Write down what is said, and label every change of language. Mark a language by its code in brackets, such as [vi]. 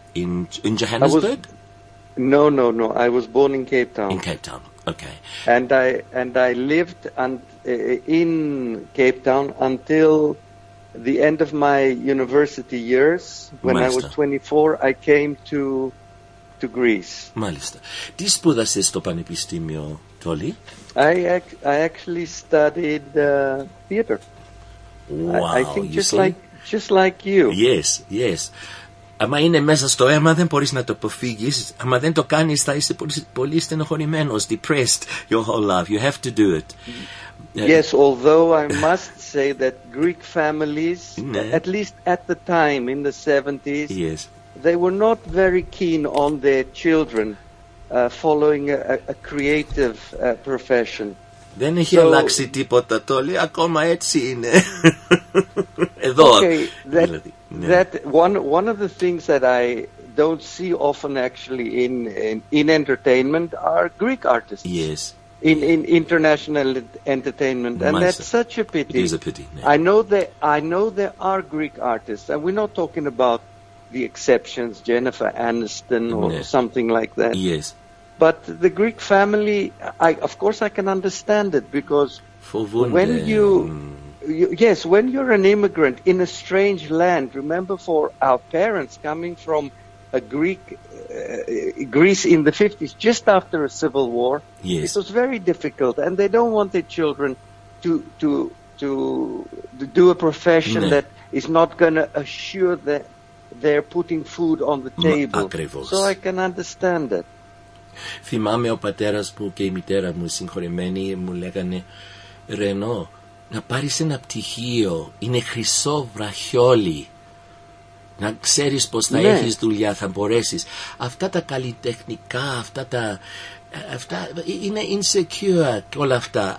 [en] In Johannesburg? No. I was born in Cape Town. In Cape Town, okay. And I lived in Cape Town until the end of my university years. When I was 24, I came to Greece. [el] Μάλιστα. Τι σπούδασες στο πανεπιστήμιο, Τόλι? [en] I actually studied theater. Wow, I think just like you. Yes. [el] Αμα είναι μέσα στο αίμα, δεν μπορείς να το αποφύγεις. Αμα δεν το κάνεις, θα είσαι πολύ στενοχωρημένος, [en] depressed your whole life. You have to do it. Yes, although I must say that Greek families, at least at the time in the 70s, yes, they were not very keen on their children following a creative profession. [el] Δεν έχει αλλάξει τίποτα, Τόλι, ακόμα έτσι είναι. Εδώ, δηλαδή. Yeah. [en] That one of the things that I don't see often actually in entertainment are Greek artists. Yes. In international entertainment, and that's such a pity. It is a pity. Yeah. I know there are Greek artists, and we're not talking about the exceptions, Jennifer Aniston or something like that. Yes. But the Greek family, I can understand it because when you're an immigrant in a strange land, remember for our parents coming from a Greece in the 50s, just after a civil war, yes, it was very difficult, and they don't want their children to do a profession that is not going to assure that they're putting food on the table. [el] Ακριβώς. [en] So I can understand it. [el] Θυμάμαι ο πατέρας μου και η μητέρα μου συγχωρημένη μου λέγανε, Ρενό, να πάρεις ένα πτυχίο, είναι χρυσό βραχιόλι. Να ξέρεις πως θα έχεις δουλειά, θα μπορέσεις. Αυτά τα καλλιτεχνικά, αυτά είναι insecure και όλα αυτά.